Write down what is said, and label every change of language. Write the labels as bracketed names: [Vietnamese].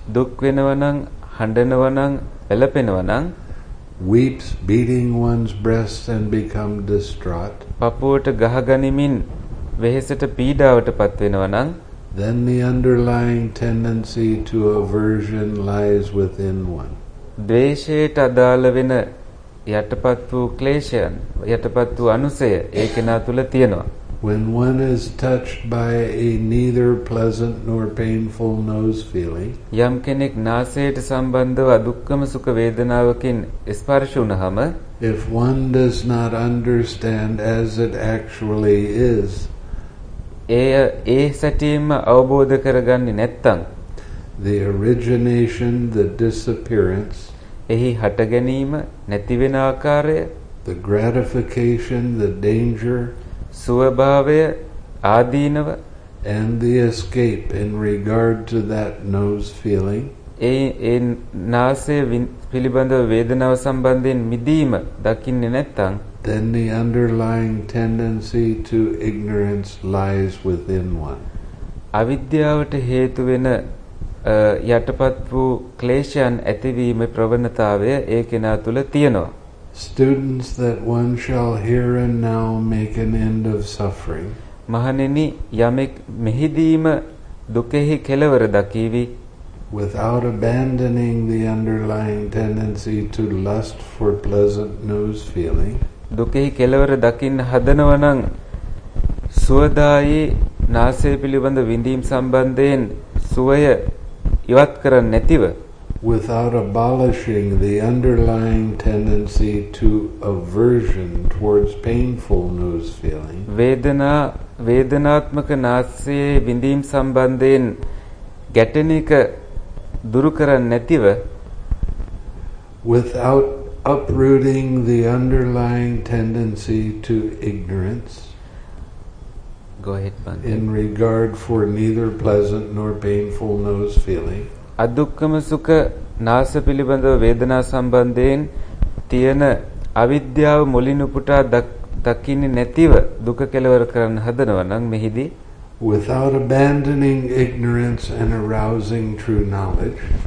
[Sinhala] දුක් වෙනව නම් හඬනව නම් වැළපෙනව නම් [English] weeps beating one's breast and become distraught [Sinhala] පපුවට ගහගනිමින් වෙහෙසට පීඩාවටපත් වෙනව නම් [English] then the underlying tendency to aversion lies within one [Sinhala] ද්වේෂයට අදාළ වෙන යටපත් වූ ක්ලේශයන් යටපත් වූ අනුසය ඒ කෙනා තුල තියෙනවා [English] when one is touched by a neither pleasant nor painful nose feeling [Sinhala] යම් කෙනෙක් නාසයට සම්බන්ධව දුක්ඛම සුඛ වේදනාවකින් ස්පර්ශ වුනහම [English] if one does not understand as it actually is [Sinhala] ඒ සැටියෙම අවබෝධ කරගන්නේ නැත්තම් [English] the origination the disappearance [Sinhala] එහි හට ගැනීම නැති වෙන ආකාරය [English] the gratification the danger [Sinhala] ස්වභාවය ආදීනව [English] and the escape in regard to that nose feeling [Sinhala] ඒ නාසයේ පිළිබඳව වේදනාව සම්බන්ධයෙන් මිදීම දකින්නේ නැත්තම් [English] then the underlying tendency to ignorance lies within one [Sinhala] අවිද්‍යාවට හේතු වෙන යටපත් වූ ක්ලේශයන් ඇතිවීමේ ප්‍රවණතාවය ඒ කෙනා තුල තියෙනවා [English] students that one shall here and now make an end of suffering [Sinhala] මහණෙනි යමෙක් මෙහිදීම දුකෙහි කෙලවර දකීවි [English] without abandoning the underlying tendency to lust for pleasant nose feeling [Sinhala] දුකෙහි කෙලවර දකින්න හදනව නම් සුවදායි නාසය පිළිබඳ විඳීම් සම්බන්ධයෙන් සුවය ඉවත් කරන්නේ නැතිව [English] without abolishing the underlying tendency to aversion towards painful nose feeling [Sinhala] වේදනාත්මක නාසයේ විඳීම් සම්බන්ධයෙන් ගැටෙන එක දුරු කරන්නේ නැතිව [English] without uprooting the underlying tendency to ignorance go ahead man in regard for neither pleasant nor painful nose feeling [Sinhala] අදුක්කම සුඛ නාස පිළිබඳ වේදනා සම්බන්ධයෙන් තියෙන අවිද්‍යාව මුලිනුපුටා දකින්නේ නැතිව දුක කෙලවර කරන්න හදනවා නම් මෙහිදී [English] without abandoning ignorance and arousing true knowledge